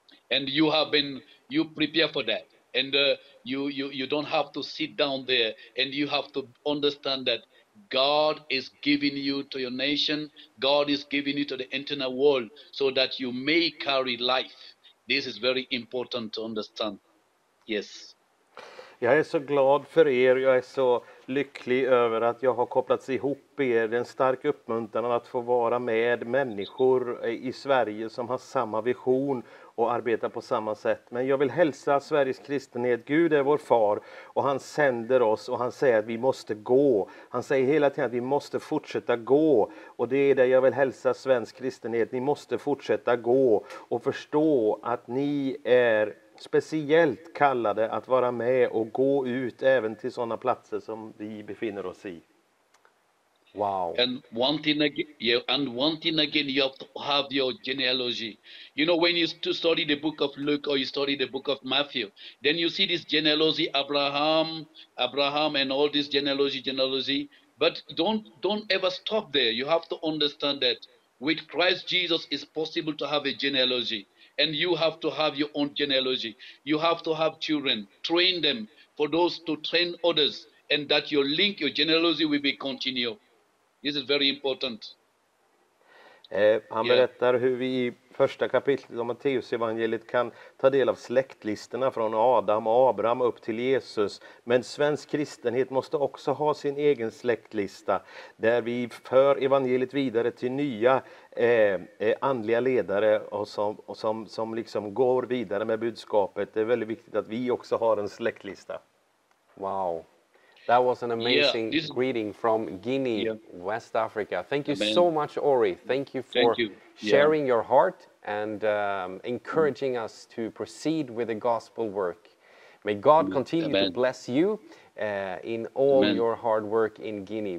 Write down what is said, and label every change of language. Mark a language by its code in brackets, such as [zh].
[en] And you have been, you prepare for that. And you don't have to sit down there, and you have to understand that God is giving you to your nation. God is giving you to the internal world so that you may carry life. This is very important to understand. Yes. [sv] Jag är så glad för er. Jag är så lycklig över att jag har kopplats ihop er. Det är en stark uppmuntran att få vara med människor i Sverige som har samma vision och arbeta på samma sätt. Men jag vill hälsa Sveriges kristenhet. Gud är vår far och han sänder oss och han säger att vi måste gå. Han säger hela tiden att vi måste fortsätta gå. Och det är det jag vill hälsa svensk kristenhet. Ni måste fortsätta gå och förstå att ni är speciellt kallade att vara med och gå ut även till sådana platser som vi befinner oss i. [en] Wow. And one thing again, yeah, and one thing again, you have to have your genealogy. You know, when you study the book of Luke or you study the book of Matthew, then you see this genealogy, Abraham and all this genealogy. But don't ever stop there. You have to understand that with Christ Jesus, it's possible to have a genealogy. And you have to have your own genealogy. You have to have children. Train them for those to train others. And that your link, your genealogy will be continued. This is very important. [sv] Han berättar hur vi i första kapitlet av Matteus evangeliet kan ta del av släktlistorna från Adam och Abraham upp till Jesus. Men svensk kristenhet måste också ha sin egen släktlista där vi för evangeliet vidare till nya andliga ledare och som liksom går vidare med budskapet. Det är väldigt viktigt att vi också har en släktlista. [en] Wow. That was an amazing greeting from Guinea, West Africa. Thank you so much, Ori. Thank you for sharing your heart and encouraging us to proceed with the gospel work. May God continue to bless you in all your hard work in Guinea.